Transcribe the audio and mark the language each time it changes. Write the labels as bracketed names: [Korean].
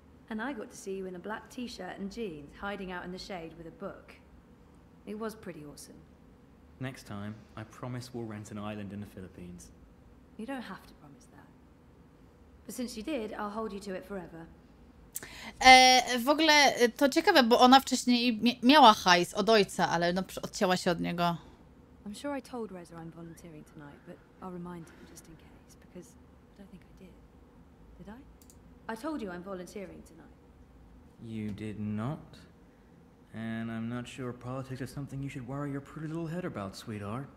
[English] And I got to see you in a black t-shirt and jeans, hiding out in the shade with a book. It was pretty awesome. Next time, I promise we'll rent an island in the Philippines. You don't have to promise that. But since you did, I'll hold you to it forever. [Polish] W ogóle to ciekawe, bo ona wcześniej miała hajs od ojca, ale no, odcięła się od niego. [English] I'm sure I told Reza I'm volunteering tonight, but I'll remind him just in case, because I don't think I did. Did I? I told you I'm volunteering tonight. You did not? And I'm not sure politics is something you should worry your pretty little head about, sweetheart.